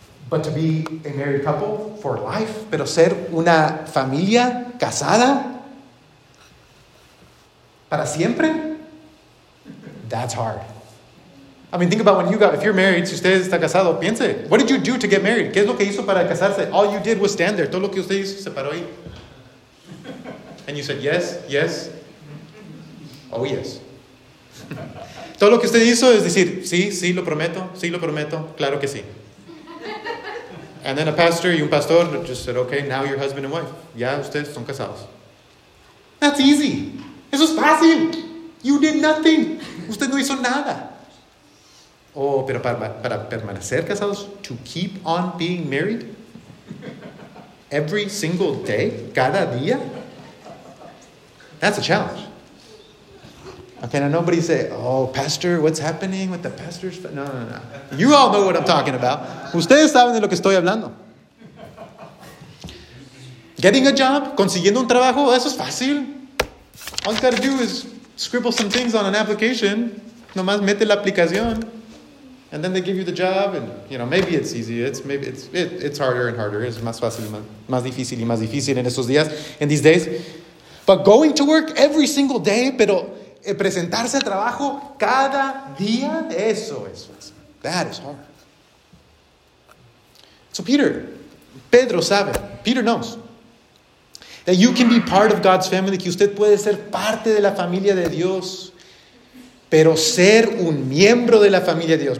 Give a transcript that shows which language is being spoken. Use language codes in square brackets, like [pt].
[en] But to be a married couple for life, [es] pero ser una familia casada para siempre, [en] that's hard. I mean, think about when you got, if you're married, [es] si usted está casado, piense, [en] what did you do to get married? [es] ¿Qué es lo que hizo para casarse? [en] All you did was stand there. [es] Todo lo que usted hizo, se paró ahí. [en] And you said, yes, yes. Oh, yes. [es] Todo lo que usted hizo es decir, sí, sí, lo prometo, sí, lo prometo, claro que sí. [en] And then a pastor, [es] y un pastor, [en] just said, okay, now you're husband and wife. [es] Ya, ustedes son casados. [en] That's easy. [es] Eso es fácil. [en] You did nothing. [es] Usted no hizo nada. Oh, pero para permanecer casados, [en] to keep on being married, every single day, [es] cada día, [en] that's a challenge. Okay, now nobody say, oh, pastor, what's happening with the pastor's... No. You all know what I'm talking about. [es] Ustedes saben de lo que estoy hablando. [en] Getting a job, [es] consiguiendo un trabajo, eso es fácil. [en] All you gotta do is scribble some things on an application. [es] Nomás mete la aplicación. [en] And then they give you the job. And, you know, maybe it's easy. It's harder and harder. [es] Es más fácil, más difícil y más difícil en estos días, [en] in these days. But going to work every single day, pero... [es] presentarse al trabajo cada día, eso es fácil. [en] That is hard. [es] So Pedro sabe, [en] Peter knows, that you can be part of God's family, [es] que usted puede ser parte de la familia de Dios, pero ser un miembro de la familia de Dios,